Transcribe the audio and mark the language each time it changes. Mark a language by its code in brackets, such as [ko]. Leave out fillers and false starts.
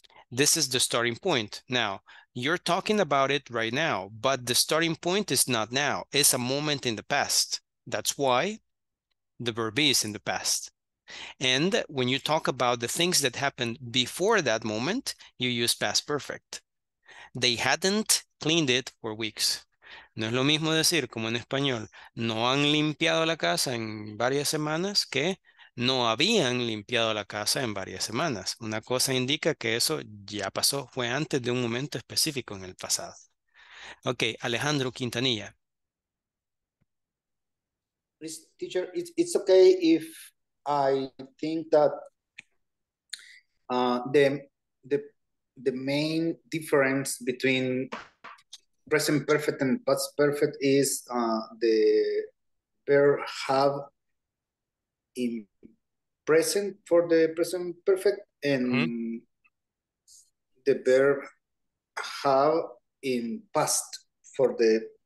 [en] This is the starting point. Now, you're talking about it right now, but the starting point is not now. It's a moment in the past. That's why the verb is in the past. And when you talk about the things that happened before that moment, you use past perfect. They hadn't cleaned it for weeks. [es] No es lo mismo decir, como en español, no han limpiado la casa en varias semanas, que no habían limpiado la casa en varias semanas. Una cosa indica que eso ya pasó, fue antes de un momento específico en el pasado. [en] Ok, Alejandro Quintanilla. Teacher, it's okay if I think that the main difference between present perfect and past perfect is the verb have in present for the present perfect and the verb have in past for the